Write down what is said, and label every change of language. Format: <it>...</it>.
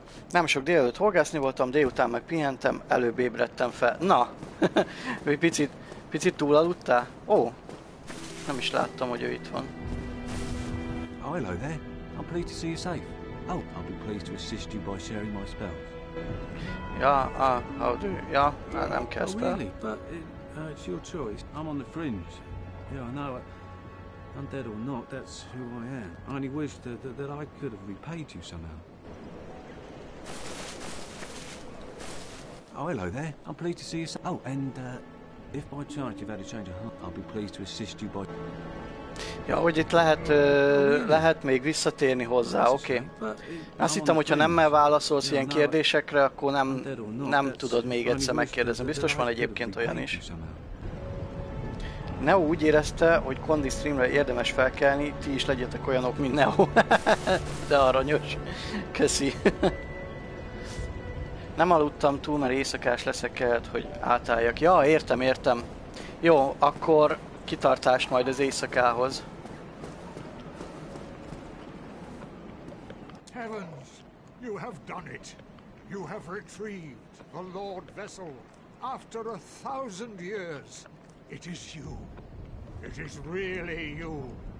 <hu>Nem sok délelőtt horgászni voltam, délután meg pihentem, előbb ébredtem fel. Na! Még picit túlaludtál? Ó! Nem is láttam, hogy ő itt van.</hu> <en>Oh, hello there. I'm pleased to see you safe. Oh, I'll be pleased to assist you by sharing my spell. I'm Casper. Oh, really? But it's your choice. I'm on the fringe. Yeah, I know. Undead or not, that's who I am. I only wish that I could have repaid you somehow. Oh, hello there. I'm pleased to see you. Oh, and if by chance you've had a change of heart, I'll be pleased to assist you by...</en> <hu>Ja, hogy itt lehet még visszatérni hozzá, oké. Okay. Azt hittem, hogyha nem válaszolsz ilyen kérdésekre, akkor nem tudod még egyszer megkérdezni. Biztos van egyébként olyan is. Neo úgy érezte, hogy Kondi streamre érdemes felkelni, ti is legyetek olyanok, mint Neo. De aranyos. Köszi. Nem aludtam túl, mert éjszakás leszek, kellett, hogy átálljak. Ja, értem. Jó, akkor... Kitartást majd az éjszakához.</hu> <en>Heavens, you have done it. You have retrieved the Lord Vessel after a thousand years. It is you. It is really you.</en>